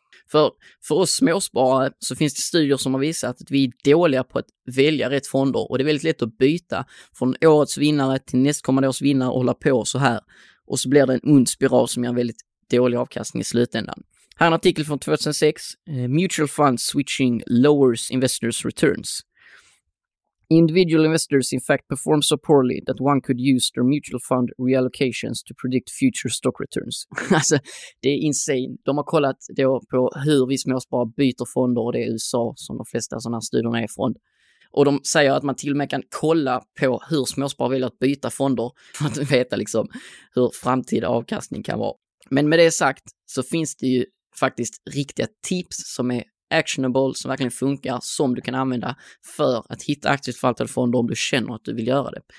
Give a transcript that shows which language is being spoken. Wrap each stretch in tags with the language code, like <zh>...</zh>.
<sv>För oss småsparare så finns det studier som har visat att vi är dåliga på att välja rätt fonder, och det är väldigt lätt att byta från årets vinnare till nästkommande års vinnare och hålla på så här, och så blir det en ond spiral som ger en väldigt dålig avkastning i slutändan. Här är en artikel från 2006,</sv> <en>Mutual Funds Switching Lowers Investors' Returns. Individual investors in fact perform so poorly that one could use their mutual fund reallocations to predict future stock returns.</en> <sv>Alltså, det är insane. De har kollat då på hur vi småsparare byter fonder, och det är USA som de flesta sådana här studierna är från. Och de säger att man till och med kan kolla på hur småsparare vill att byta fonder för att veta liksom hur framtida avkastning kan vara. Men med det sagt så finns det ju faktiskt riktiga tips som är actionable, som verkligen funkar, som du kan använda för att hitta aktivt förvaltade fonder om du känner att du vill göra det.</sv>